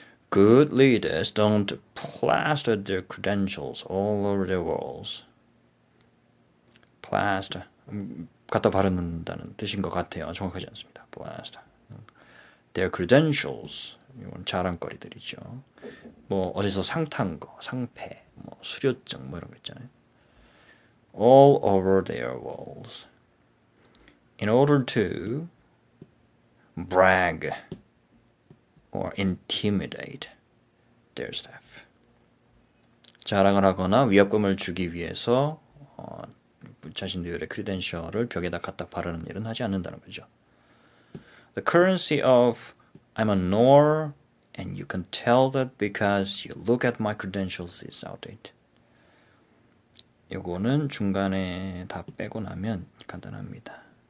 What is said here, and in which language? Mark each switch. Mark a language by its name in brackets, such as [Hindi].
[English] Good leaders don't plaster their credentials all over their walls. Plaster. [Korean] 갖다 바르는다는 뜻인 것 같아요. 정확하지 않습니다. [English] Plaster. Their credentials. [Korean] 이건 자랑거리들이죠. 뭐, 어디서 상탄 거, 상패, 뭐, 수료증, 뭐 이런 거 있잖아요. [English] All over their walls. In order to brag or intimidate their staff. [Korean] 자랑을 하거나 위압감을 주기 위해서 자신들의 크리덴셜을 벽에다 갖다 바르는 일은 하지 않는다는 거죠. [English] The currency of I'm a nor and you can tell that because you look at my credentials is outdated. [Korean] 요거는 중간에 다 빼고 나면 간단합니다.